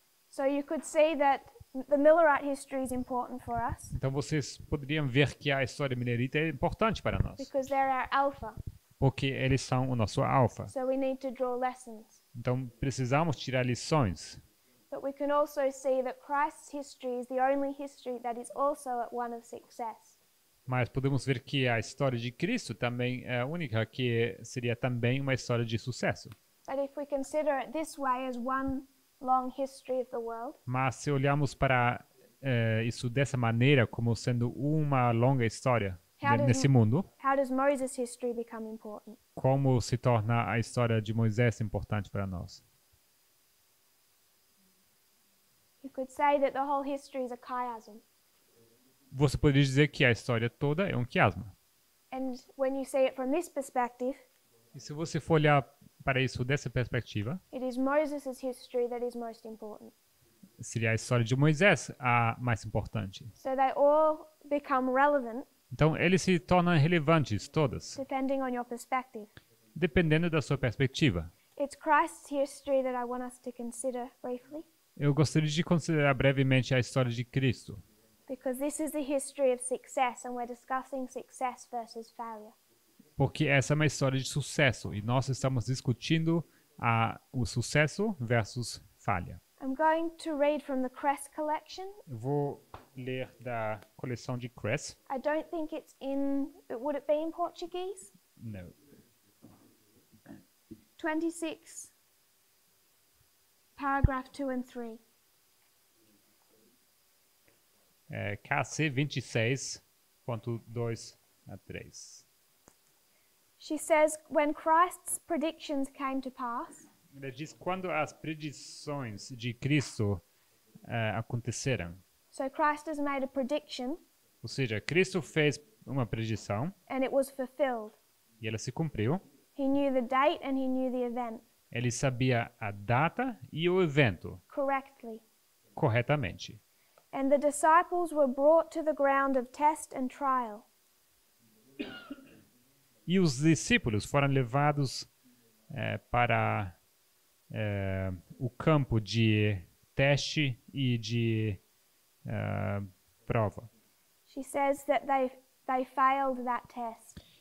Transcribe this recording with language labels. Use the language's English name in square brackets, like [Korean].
[English] So you could see that the Millerite history is important for us. [Portuguese] Então vocês poderiam ver que a história Millerita é importante para nós. [English] Because they're our alpha. [Portuguese] Porque eles são o nosso alfa. [English] So we need to draw lessons. [Portuguese] Então precisamos tirar lições. [English] But we can also see that Christ's history is the only history that is also at one of success. [Portuguese] Mas podemos ver que a história de Cristo também é única, que seria também uma história de sucesso. [English] But if we consider it this way as one long history of the world. [Portuguese] Mas se olharmos para isso dessa maneira, como sendo uma longa história nesse mundo. [English] How does Moses' history become important? [Portuguese] Como se torna a história de Moisés importante para nós? [English] You could say that the whole history is a chiasm. [Portuguese] Você poderia dizer que a história toda é um quiasma. [English] And when you see it from this perspective, [Portuguese] e se você for olhar para isso dessa perspectiva, [English] it is Moses's history that is most important. [Portuguese] Seria a história de Moisés a mais importante. [English] So they all become relevant. [Portuguese] Então eles se tornam relevantes todas. [English] Depending on your perspective. [Portuguese] Dependendo da sua perspectiva. [English] It's Christ's history that I want us to consider briefly. [Portuguese] Eu gostaria de considerar brevemente a história de Cristo. [English] Because this is the history of success and we're discussing success versus failure. [Portuguese] Porque essa é uma história de sucesso e nós estamos discutindo o sucesso versus falha. [English] I'm going to read from the Cress collection. [Portuguese] Eu vou ler da coleção de Cress. [English] I don't think it's in, would it be in Portuguese? [Portuguese] No. [English] 26. Paragraph 2 and 3. KC 26:2-3. She says, when Christ's predictions came to pass. [Portuguese] Ela diz quando as predições de Cristo aconteceram. [English] So Christ has made a prediction. [Portuguese] Ou seja, Cristo fez uma predição. [English] And it was fulfilled. [Portuguese] E ela se cumpriu. [English] He knew the date and he knew the event. [Portuguese] Ele sabia a data e o evento. [English] Correctly. [Portuguese] Corretamente. [English] And the disciples were brought to the ground of test and trial. [Portuguese] E os discípulos foram levados para o campo de teste e de prova. [English] She says that they failed that test.